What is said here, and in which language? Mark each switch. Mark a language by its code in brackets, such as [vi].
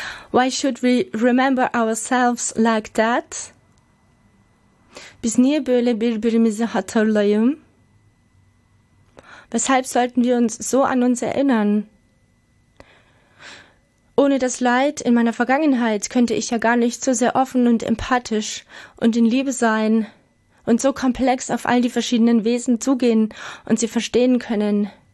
[en] Why should we remember ourselves like that? [tr] Biz niye böyle birbirimizi hatırlayım? [de] Weshalb sollten wir uns so an uns erinnern? Ohne das Leid in meiner Vergangenheit könnte ich ja gar nicht so sehr offen und empathisch und in Liebe sein und so komplex auf all die verschiedenen Wesen zugehen und sie verstehen können.